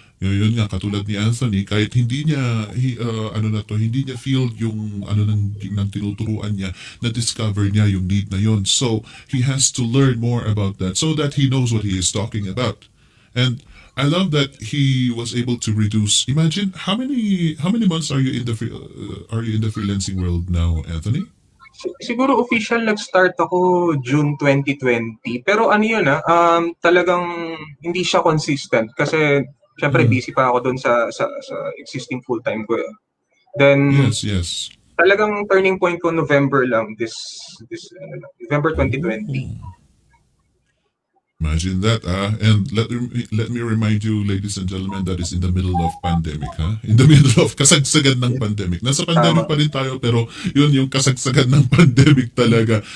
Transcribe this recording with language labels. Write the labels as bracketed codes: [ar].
[tl] Yun nga, katulad ni Anthony, kahit hindi niya hindi niya feel yung ng tinuturuan niya, na-discover niya yung need na yun. [en] So, he has to learn more about that so that he knows what he is talking about. And I love that he was able to reduce. Imagine how many months are you in the freelancing world now, Anthony? [tl] Siguro official nag-start ako June 2020. Pero talagang hindi siya consistent kasi siyempre, busy pa ako doon sa existing full-time ko. [en] Then, yes. [tl] Talagang turning point ko November lang, [en] this November 2020. Imagine that, ah. And let me remind you, ladies and gentlemen, that is in the middle of pandemic, ha? In the middle of [tl] kasagsagan ng pandemic. Nasa pandemic pa rin tayo, pero yun yung kasagsagan ng pandemic talaga.